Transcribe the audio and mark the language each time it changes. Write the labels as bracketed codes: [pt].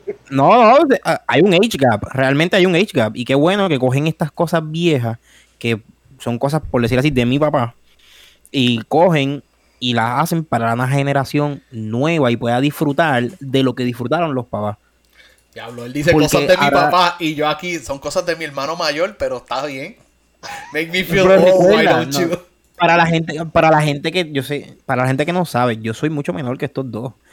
[es] No, hay un age gap, realmente hay un age gap. Y qué bueno que cogen estas cosas viejas, que son cosas, por decir así, de mi papá, y cogen... Y la hacen para una generación nueva y pueda disfrutar de lo que disfrutaron los papás. Diablo, él dice porque cosas de ahora... mi papá y yo aquí son cosas de mi hermano mayor, pero está bien. [en] Make me feel old, why don't you? [es] Para la gente que no sabe, yo soy mucho menor que estos dos.